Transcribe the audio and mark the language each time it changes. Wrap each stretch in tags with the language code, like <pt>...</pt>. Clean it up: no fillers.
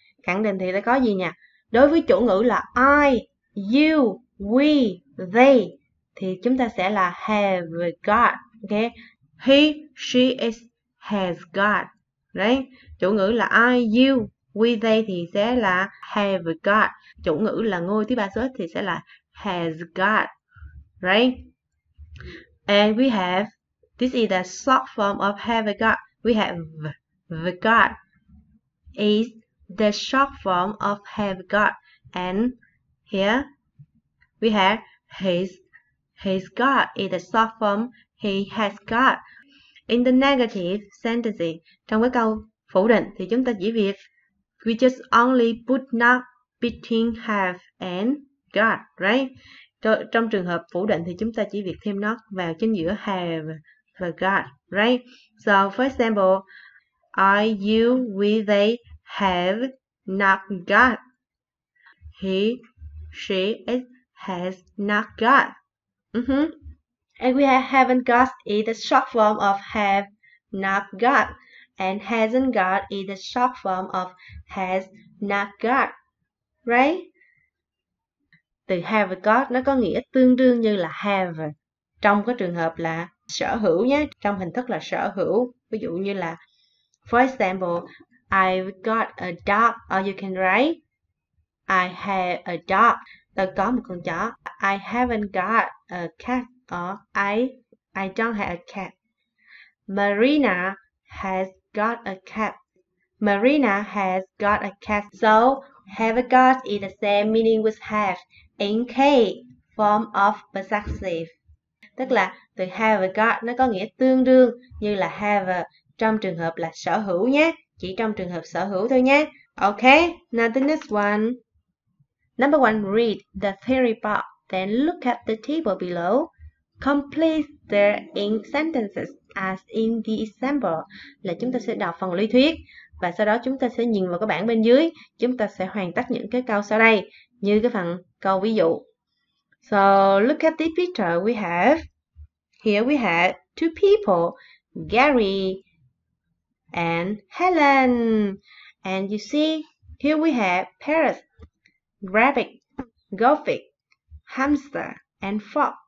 <vi>Khẳng định thì nó có gì nhỉ? Đối với chủ ngữ là I, you, we, they thì chúng ta sẽ là have got. Ok.</vi> <en>He, she, is, has got.</en> <vi>Đấy. Chủ ngữ là I, you, we, they thì sẽ là have got. Chủ ngữ là ngôi thứ ba số thì sẽ là has got.</vi> <en>Right? And we have, this is the short form of have got. We have the got is the short form of have got. And here we have his got is the short form he has got. In the negative sentence,</en> <vi>trong cái câu phủ định thì chúng ta chỉ việc</vi> <en>we just only put not between have and got, right?</en> <vi>Trong trường hợp phủ định thì chúng ta chỉ việc thêm not vào chính giữa have và got,</vi> <en>right? So, for example, I, you, we, they have not got. He, she, it has not got. Mm-hmm. And we have haven't got is the short form of have not got. And hasn't got is the short form of has not got. Right?</en> <vi>Từ have got nó có nghĩa tương đương như là have. Trong cái trường hợp là sở hữu nhé. Trong hình thức là sở hữu. Ví dụ như là,</vi> <en>for example, I've got a dog. Or you can write, I have a dog.</en> <vi>Tôi có một con chó.</vi> <en>I haven't got a cat. Or I don't have a cat. Marina has got a cat. Marina has got a cat. So, have got is the same meaning with have in K form of possessive.</en> <vi>Tức là từ have got nó có nghĩa tương đương như là have trong trường hợp là sở hữu nhé. Chỉ trong trường hợp sở hữu thôi nhé.</vi> <en>Ok, now the next one. Number one, read the theory part, then look at the table below. Complete the in sentences as in the example.</en> <vi>Là chúng ta sẽ đọc phần lý thuyết và sau đó chúng ta sẽ nhìn vào cái bảng bên dưới. Chúng ta sẽ hoàn tất những cái câu sau đây như cái phần câu ví dụ.</vi> <en>So, look at this picture we have. Here we have two people, Gary and Helen. And you see, here we have parrot, rabbit, goldfish, hamster, and frog.</en>